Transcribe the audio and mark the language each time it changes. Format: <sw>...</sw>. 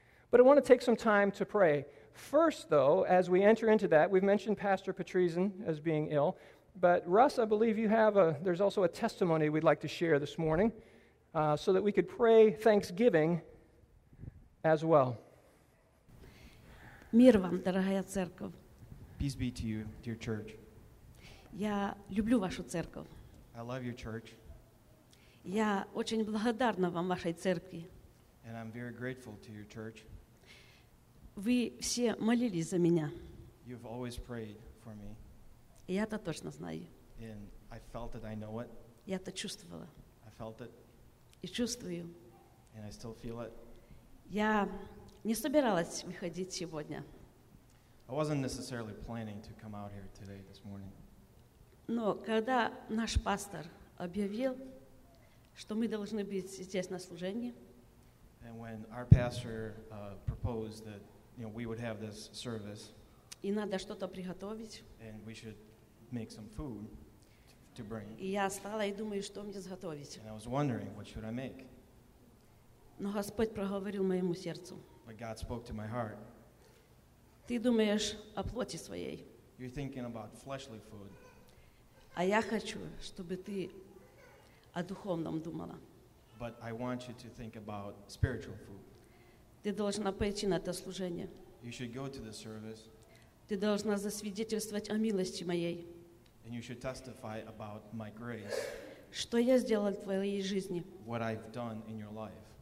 <en>But I want to take some time to pray. First, though, as we enter into that, we've mentioned Pastor Patrizin as being ill. But Russ, I believe you have there's also a testimony we'd like to share this morning so that we could pray thanksgiving as well.</en> <ru>Мир вам, дорогая церковь.</ru> <en>Peace be to you, dear church.</en> <ru>Я люблю вашу церковь.</ru> <en>I love your church.</en> <ru>Я очень благодарна вам, вашей церкви.</ru> <en>And I'm very grateful to your church.</en> <ru>Вы все молились за меня.</ru> <en>You've always prayed for me.</en> <ru>И я это точно знаю.</ru> <en>And I felt it, I know it.</en> <ru>Я это чувствовала.</ru> <en>I felt it.</en> <ru>И чувствую.</ru> <en>And I still feel it.</en> <ru>Я не собиралась выходить сегодня.</ru> <en>I wasn't necessarily planning to come out here today, this morning.</en> <ru>Но когда наш пастор объявил, что мы должны быть здесь на служении,</ru> <en>and when our pastor proposed that, you know, we would have this service,</en> <ru>и надо что-то приготовить,</ru> <en>and we should make some food to bring,</en> <ru>и я стала и думаю, что мне сготовить.</ru> <en>And I was wondering, what should I make?</en> <ru>Но Господь проговорил моему сердцу.</ru> <en>But God spoke to my heart.</en> <ru>Ты думаешь о плоти своей.</ru> <en>You're thinking about fleshly food.</en> <ru>А я хочу, чтобы ты о духовном думала.</ru> <en>But I want you to think about spiritual food.</en> <ru>Ты должна пойти на это служение.</ru> <en>You should go to the service.</en> <ru>Ты должна засвидетельствовать о милости моей.</ru> <en>And you should testify about my grace.</en> <ru>Что я сделала в твоей жизни?</ru> <en>What I've done in your life.</en>